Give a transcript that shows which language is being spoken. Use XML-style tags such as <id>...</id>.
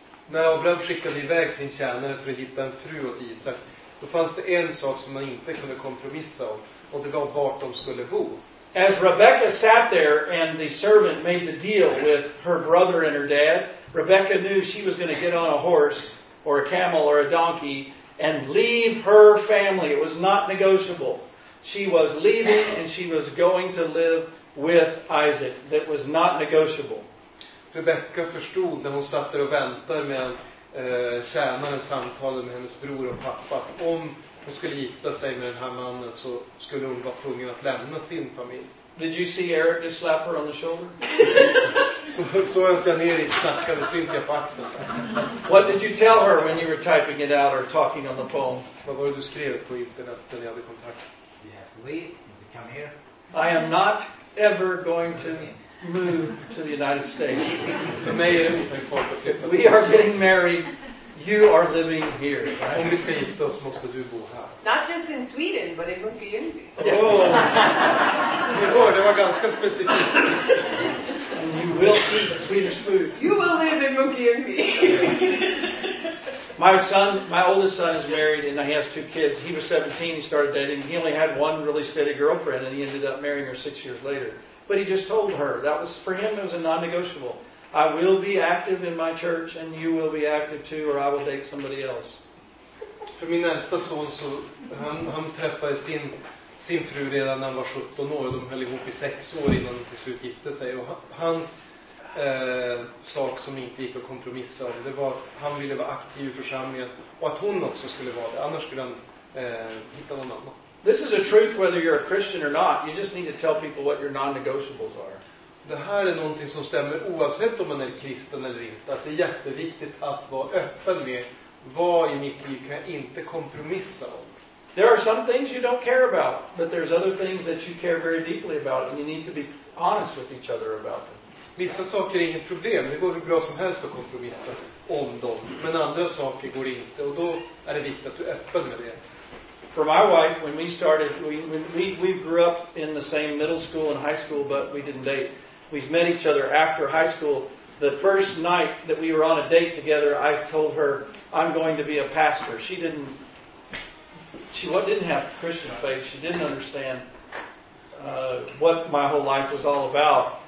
<sv>När Abraham skickade iväg sin tjänare för att hitta en fru åt Isak, då fanns det en sak som man inte kunde kompromissa om, och det var vart de skulle bo.</sv> <en>As Rebecca sat there and the servant made the deal with her brother and her dad, Rebecca knew she was going to get on a horse or a camel or a donkey and leave her family. It was not negotiable. She was leaving and she was going to live with Isaac. That was not negotiable.</en> <sv>Rebecca förstod när hon satt där och väntade med tjänaren samtalade med hennes bror och pappa. Om hon skulle gifta sig med den här mannen så skulle hon vara tvungen att lämna sin familj.</sv> <en>Did you see Eric just slap her on the shoulder?</en> <sv>Så att jag ner i snackade Cynthia på axeln.</sv> <en>What did you tell her when you were typing it out or talking on the phone?</en> <sv>Vad var det du skrev på internet när jag hade kontakt?</sv> <en>You have to leave. You have to come here. I am not ever going to move to the United States.</en> <sv>För mig är</sv> <en>we are getting married. You are living here. Right?</en> <sv>Om vi ska gifta oss måste du bo här.</sv> <en>Not just in Sweden, but in Munkajunby.</en> <sv>Oh, det var ganska specifikt.</sv> <en>And you will eat the Swedish food. You will live in Munkajunby. My oldest son is married and he has two kids. He was 17, he started dating. He only had one really steady girlfriend and he ended up marrying her 6 years later. But he just told her, that was for him, it was a non-negotiable. I will be active in my church and you will be active too, or I will date somebody else.</en> <sv>För min äldsta son så han träffade sin fru redan när han var 17 år och de höll ihop i 6 år innan de till slut gifte sig. Och hans sak som inte gick att kompromissa om, det var att han ville vara aktiv i församlingen och att hon också skulle vara det. Annars skulle han hitta någon annan.</sv> <en>This is a truth whether you're a Christian or not. You just need to tell people what your non-negotiables are.</en> <sv>Det här är någonting som stämmer oavsett om man är kristen eller inte. Att det är jätteviktigt att vara öppen med vad i mitt liv kan jag inte kompromissa om.</sv> <en>There are some things you don't care about, but there's other things that you care very deeply about and you need to be honest with each other about them.</en> <sv>Vissa saker är inget problem. Det går hur bra som helst att kompromissa om dem. Men andra saker går inte och då är det viktigt att du är öppen med det.</sv> <en>For my wife, when we started, we grew up in the same middle school and high school, but we didn't date. We met each other after high school. The first night that we were on a date together, I told her, I'm going to be a pastor. She didn't have Christian faith. She didn't understand what my whole life was all about.</en>